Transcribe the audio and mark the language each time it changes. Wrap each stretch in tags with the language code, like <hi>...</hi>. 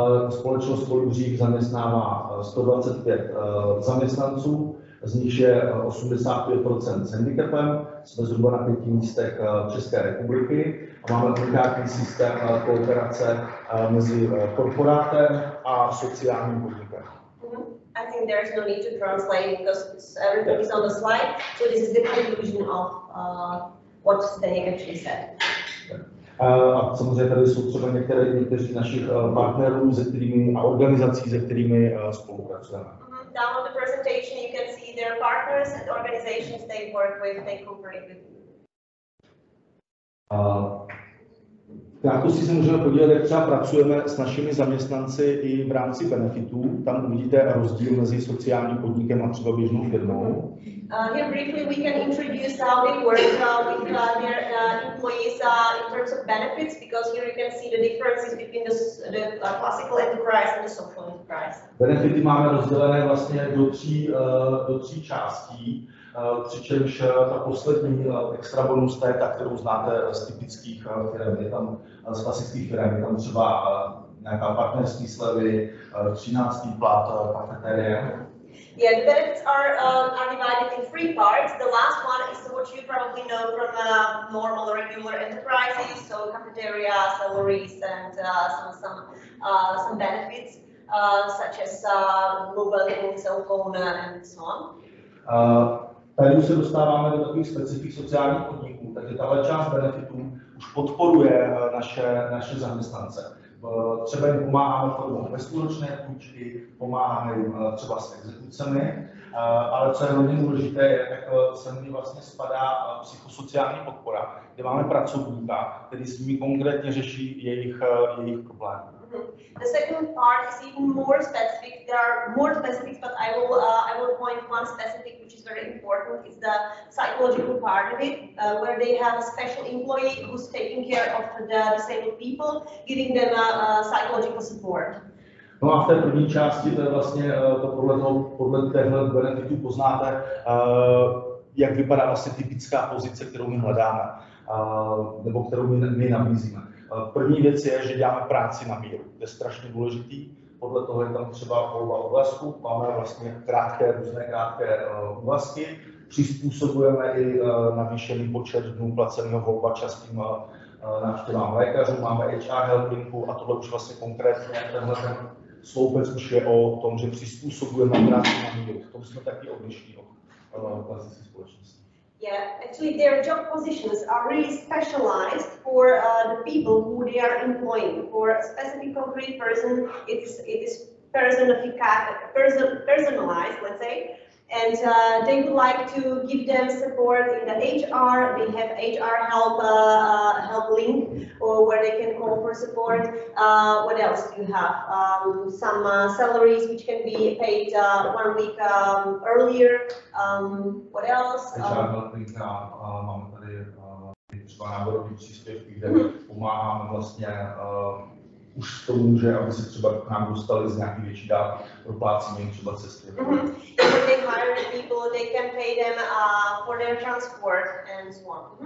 <cs>Společnost Kolibřík zaměstnává 125 zaměstnanců, z nich je 85% s handicapem, jsme zhruba na 5 místech České republiky a máme unikátní systém kooperace mezi korporátem a sociálním podnikem.</cs> <en>I think there is no need to translate because everything is on the slide. So this is the conclusion of what Zdeněk actually said.</en> <cs>A samozřejmě tady jsou třeba někteří našich partnerů, se kterými a organizací, se kterými spolupracujeme.</cs> <en>Down on the presentation you can see their partners and organizations they work with, they cooperate with.</en> <cs>Tak si se můžeme podívat, jak třeba pracujeme s našimi zaměstnanci i v rámci benefitů. Tam uvidíte rozdíl mezi sociálním podnikem a třeba běžnou firmou.</cs> <en>Here briefly we can introduce how we work with their employees in terms of benefits, because here you can see the differences between the classical enterprise and the social enterprise.</en> <cs>Benefity máme rozdělené vlastně do tří částí. Přičemž ta poslední extra bonus, ta je ta, kterou znáte z typických firm, je tam z klasických firm, je tam třeba nějaká partnerské slevy, 13. plat, kafeterie.</cs> <en>Yeah, the benefits are divided in three parts. The last one is what you probably know from normal or regular enterprises, so cafeteria, salaries and some benefits such as mobile phone, cell phone and so on.</en> <cs>Tady už se dostáváme do takových specifických sociálních podniků, takže tahle část benefitů už podporuje naše zaměstnance. Třeba jim pomáháme formou bezúročné půjčky, pomáháme jim třeba s exekucemi, ale co je hodně důležité, je, tak se mi vlastně spadá psychosociální podpora, kde máme pracovníka, který s nimi konkrétně řeší jejich problémy.</cs> <en>The second part is even more specific. There are more specifics, but I will point one specific, which is very important. It's the psychological part of it, where they have a special employee who's taking care of the disabled people, giving them a psychological support.</en> <cs>No a v té první části, to je vlastně to podle téhle benefitu poznáte, jak vypadá vlastně typická pozice, kterou my hledáme, nebo kterou my nabízíme. První věc je, že děláme práci na míru. To je strašně důležitý. Podle toho je tam třeba volba úvazku. Máme vlastně různé krátké úvazky. Přizpůsobujeme i navýšený počet dnů placeného volba častým návštěvám lékařů. Máme HR helpingu a tohle už vlastně konkrétně tenhle ten sloupec už je o tom, že přizpůsobujeme práci na míru. To jsme taky odlišní od klasické společnosti.</cs> <en>Yeah, actually their job positions are really specialized for the people who they are employing. For a specific concrete person, it is personalized, let's say. And they would like to give them support in the HR. They have HR help link or where they can call for support. What else do you have? Some salaries which can be paid 1 week earlier. What else? HR helping.</en> <cs>Máme tady třeba náborový příspěvky, kde pomáháme vlastně už s tomu, že aby se třeba k nám dostali z nějaký větší dál, proplácíme jim třeba cesty.</cs> <en>If they hire the people, they can pay them for their transport and so on.</en>